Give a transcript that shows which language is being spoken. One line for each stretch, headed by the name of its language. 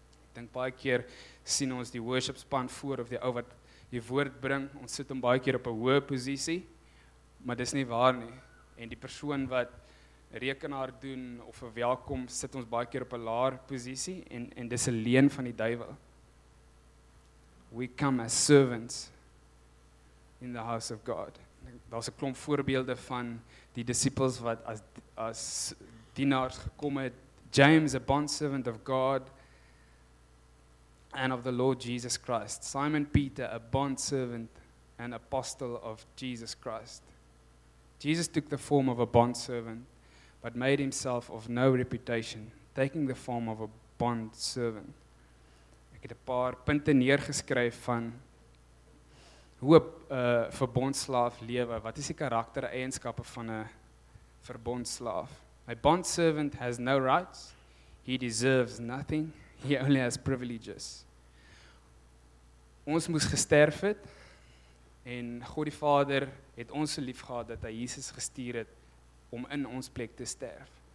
Afrikaans: Ek dink baie keer sien ons die worship span voor of die ou wat die woord bring, ons sit hom baie keer op 'n hoë posisie, maar dis nie waar nie. En die persoon wat rekenaar doen of 'n welkom sit ons baie keer op 'n laer posisie en dis 'n leen van die duiwel.
English: We come as servants in the house of God.
Afrikaans: Daar's 'n klomp voorbeelde van die disippels wat as dienaars gekom het.
English: James, a bondservant of God and of the Lord Jesus Christ. Simon Peter, a bondservant and apostle of Jesus Christ. Jesus took the form of a bondservant, but made himself of no reputation, taking the form of a bondservant.
Afrikaans: Ek het 'n paar punte neergeskryf van hoe 'n verbondslaaf lewe. Wat is die karaktereienskappe van 'n verbondslaaf?
English: A bondservant has no rights. He deserves nothing. He only has privileges.
Afrikaans: Ons moes gesterf het en God die Vader het ons so liefgehad dat hy Jesus gestuur het om in ons plek te sterf.